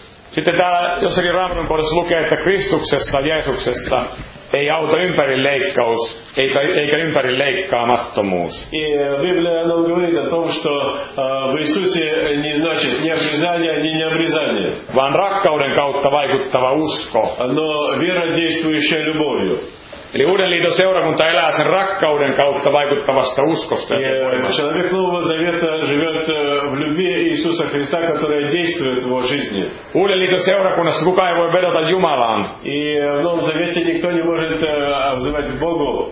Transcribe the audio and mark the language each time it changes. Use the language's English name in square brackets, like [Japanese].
[Finnish] Sitten täällä jossakin Raamatun kohdassa lukee, että Kristuksessa, Jeesuksessa ei auta ympärin leikkaus, eikä ympärin leikkaamattomuus. [Russian] Biblia on говорит о том, что в Иисусе не значит ни обрезание, ни необрезание. [Finnish] Vaan rakkauden kautta vaikuttava usko. [Russian] Но вера действующая любовью. [Finnish] Eli Uuden liiton seurakunta elää sen rakkauden kautta vaikuttavasta uskosta. [Russian] Человек Нового Завета живет в любви Иисуса Христа, которая действует в его жизни. [Finnish] Uuden liiton seurakunnassa kukaan ei voi vedota Jumalaan. [Russian] И в Новом Завете никто не может взывать к Богу.